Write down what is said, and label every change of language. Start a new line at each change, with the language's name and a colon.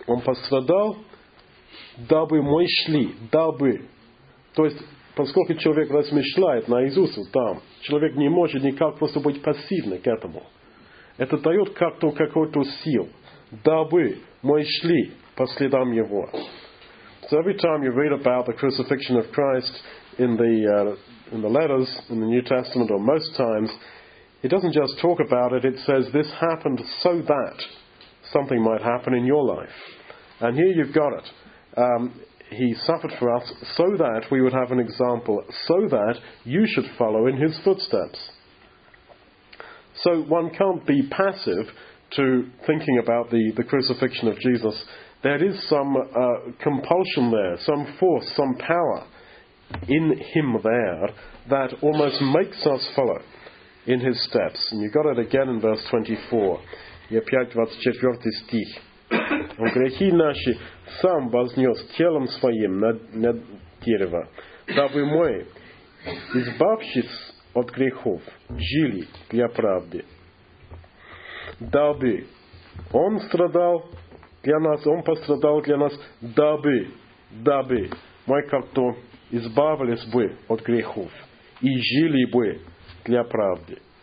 Russian: Он пострадал, дабы мы шли, дабы. То есть, поскольку человек размышляет на Иисусу там, человек не может никак просто быть пассивным к этому. Это дает как-то какую-то силу. Дабы мы шли по следам Его.
English: So every time you read about the crucifixion of Christ in the letters in the New Testament, or most times, it doesn't just talk about it, it says this happened so that something might happen in your life. And here you've got it. He suffered for us so that we would have an example, so that you should follow in His footsteps. So one can't be passive to thinking about the crucifixion of Jesus. There is some compulsion there, some force, some power in him there that almost makes us follow in his steps. And you got it again in verse 24.
Russian: И опять 24 стих. Он грехи наши сам вознес телом своим на дерево, дабы мы, избавшись от грехов, жили для правды. дабы он страдал для нас, он пострадал для нас, дабы мы как-то избавились бы от грехов и жили бы для правды.